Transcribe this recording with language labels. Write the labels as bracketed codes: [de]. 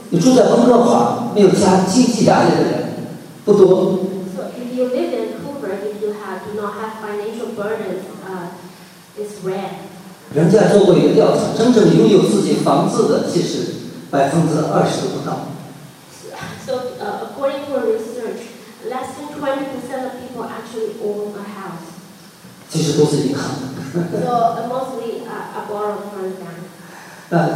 [zh] 你住在温哥华，没有家经济压力的人不多。 [en] So if you live in Vancouver, if you do not have financial burdens, it's rare. [zh] 人家做过一个调查，真正拥有自己房子的，其实20%都不到。 [en] According for research, less than 20% of people actually own a house. [zh] 其实都是银行的。 [en] So mostly a borrowed from